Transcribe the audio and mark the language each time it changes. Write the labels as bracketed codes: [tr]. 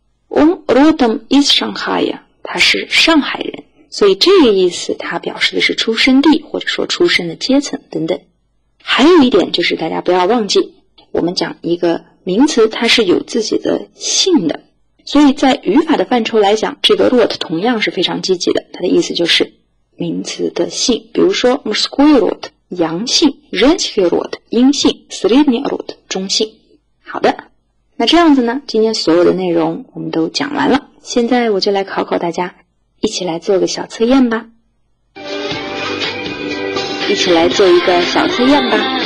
[ru] он родом из Шанхая， [zh] 他是上海人，所以这个意思它表示的是出生地或者说出生的阶层等等。还有一点就是大家不要忘记，我们讲一个名词它是有自己的姓的，所以在语法的范畴来讲，这个 род 同样是非常积极的，它的意思就是名词的姓。比如说 [ru] мужской род [zh] 阳性， [ru] женский род [zh] 阴性， [ru] средний род [zh] 中性。好的，那这样子呢今天所有的内容我们都讲完了，现在我就来考考大家，一起来做个小测验吧。一起来做一个小测验吧。